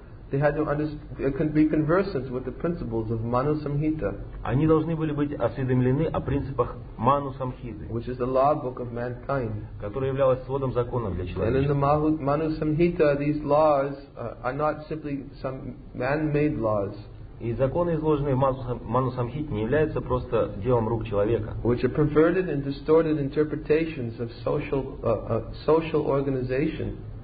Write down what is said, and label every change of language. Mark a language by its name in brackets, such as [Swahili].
[English] They had to be conversant with the principles of Manu Samhita. [Russian] Они должны были быть осведомлены о принципах Manu Samhita, [English] which is the law book of mankind, [Russian] которая являлась сводом законов для человека. [English] And in the Manu Samhita, these laws are not simply some man-made laws. [Russian] И законы, изложенные в Manu Samhita, не являются просто делом рук человека. [English] Which are perverted and distorted interpretations of social organization.